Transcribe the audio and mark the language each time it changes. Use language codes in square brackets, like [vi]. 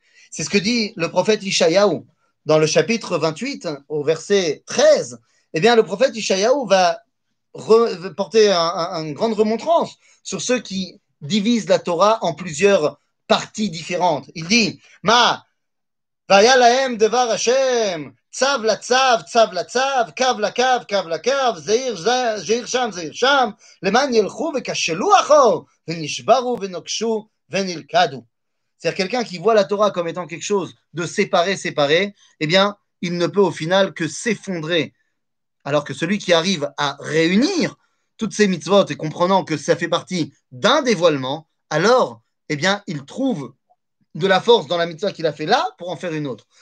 [fr] C'est ce que dit le prophète Ishayahu dans le chapitre 28, au verset 13. Eh bien, le prophète Ishayahu va porter une grande remontrance sur ceux qui divisent la Torah en plusieurs parties différentes. Il dit, ma, [he] והיה להם דבר השם, צב לצב, צב לצב, קו לקו, קו לקו, זהיר זהיר שם, זהיר שם, למען ילכו וקשלו אחור, ונשברו ונוקשו ונלכדו. [fr] C'est-à-dire quelqu'un qui voit la Torah comme étant quelque chose de séparé, séparé, eh bien, il ne peut au final que s'effondrer. Alors que celui qui arrive à réunir toutes ces mitzvot et comprenant que ça fait partie d'un dévoilement, alors, eh bien, il trouve de la force dans la mitzvah qu'il a fait là pour en faire une autre.